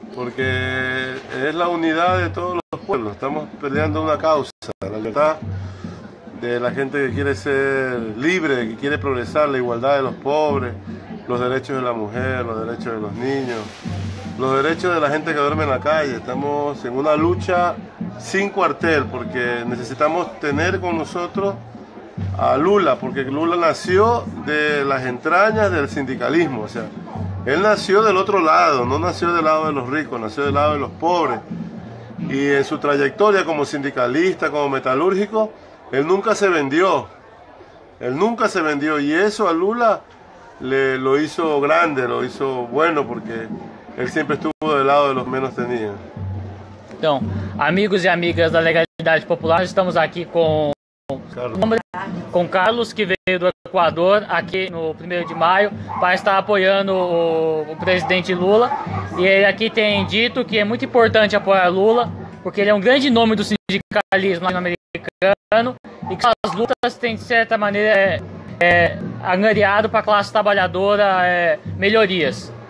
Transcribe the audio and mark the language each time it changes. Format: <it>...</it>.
<pt>Porque é a unidade de todos os povos. Estamos</pt> <es>peleando</es> <pt>uma causa, a liberdade da gente que quer ser livre, que quer progressar, a igualdade dos pobres, os direitos da mulher, os direitos dos</pt> <es>niños,</es> <pt>os direitos da gente que dorme na</pt> <es>calle.</es> <pt>Estamos em uma luta sem quartel, porque necessitamos ter com nós a Lula, porque</pt> <es>Lula nació de las entrañas del sindicalismo, o sea, él nació del otro lado, no nació del lado de los ricos, nació del lado de los pobres. Y en su trayectoria como sindicalista, como metalúrgico, él nunca se vendió. Él nunca se vendió y eso a Lula lo hizo grande, lo hizo bueno, porque él siempre estuvo del lado de los menos tenidos.</es> <pt>Então, amigos e amigas da Legalidade Popular, estamos aqui com Carlos, que veio do Equador aqui no 1º de maio para estar apoiando o presidente Lula. E ele aqui tem dito que é muito importante apoiar Lula, porque ele é um grande nome do sindicalismo latino-americano e que as lutas têm, de certa maneira, angariado para a classe trabalhadora melhorias.</pt>